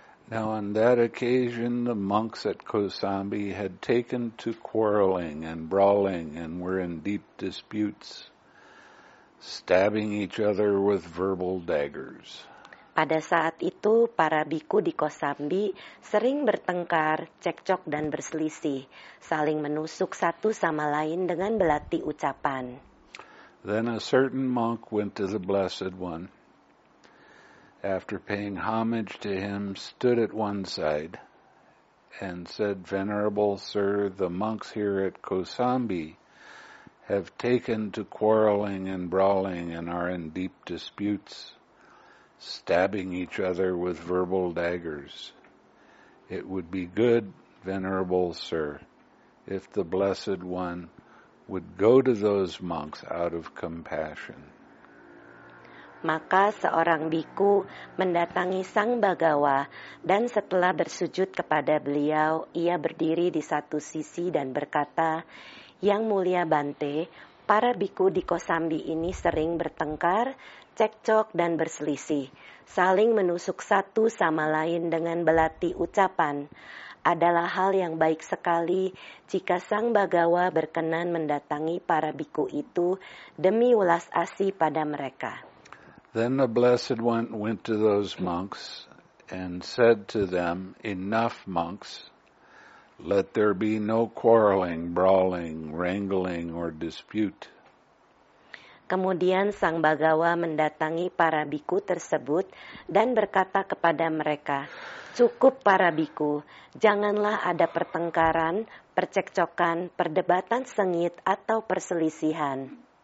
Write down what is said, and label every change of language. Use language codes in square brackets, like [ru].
[en] Now on that occasion the monks at Kosambi had taken to quarreling and brawling and were in deep disputes, stabbing each other with verbal daggers. [id] Pada saat itu para biku di Kosambi sering bertengkar, cekcok dan berselisih, saling menusuk satu sama lain dengan belati ucapan. [en] Then a certain monk went to the Blessed One. After paying homage to him, stood at one side and said, "Venerable sir, the monks here at Kosambi have taken to quarreling and brawling and are in deep disputes, stabbing each other with verbal daggers. It would be good, venerable sir, if the Blessed One would go to those monks out of compassion." [id] Maka seorang biku mendatangi Sang Bhagawa dan setelah bersujud kepada beliau, ia berdiri di satu sisi dan berkata, "Yang Mulia Bante, para biku di Kosambi ini sering bertengkar, cekcok dan berselisih, saling menusuk satu sama lain dengan belati ucapan. Adalah hal yang baik sekali jika Sang Bhagawa berkenan mendatangi para biku itu demi welas asih pada mereka." [en] Then the Blessed One went to those monks and said to them, "Enough, monks. Let there be no quarreling, brawling, wrangling, or dispute." [id] Kemudian Sang Bhagawa mendatangi para biku tersebut dan berkata kepada mereka, "Cukup para biku, janganlah ada pertengkaran, percekcokan, perdebatan sengit, atau perselisihan."